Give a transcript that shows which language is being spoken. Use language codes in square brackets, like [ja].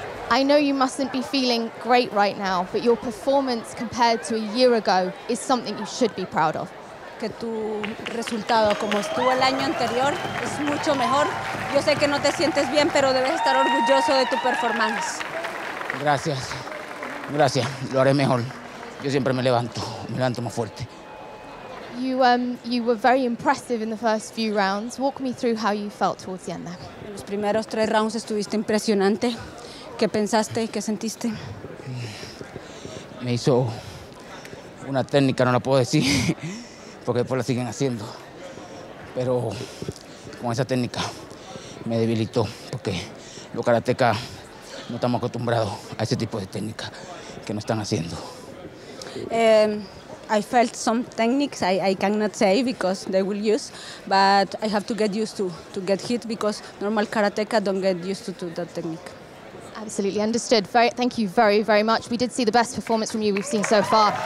[en] I know you mustn't be feeling great right now, but your performance compared to a year ago is something you should be proud of. [es] Que tu resultado como estuvo el año anterior es mucho mejor. Yo sé que no te sientes bien, pero debes estar orgulloso de tu performance. Gracias. Gracias. Lo haré mejor. Yo siempre me levanto más fuerte. [en] You were very impressive in the first few rounds. Walk me through how you felt towards the end there. [es] En los primeros tres rounds estuviste impresionante. ¿Qué pensaste? ¿Qué sentiste? Me hizo una técnica, no la puedo decir, porque después la siguen haciendo. Pero con esa técnica me debilitó, porque los karatecas no estamos acostumbrados a ese tipo de técnica que no están haciendo. [en] I felt some techniques I cannot say because they will use, but I have to get used to get hit because normal karateka don't get used to that technique. Absolutely understood. Very, thank you very, very much. We did see the best performance from you we've seen so far.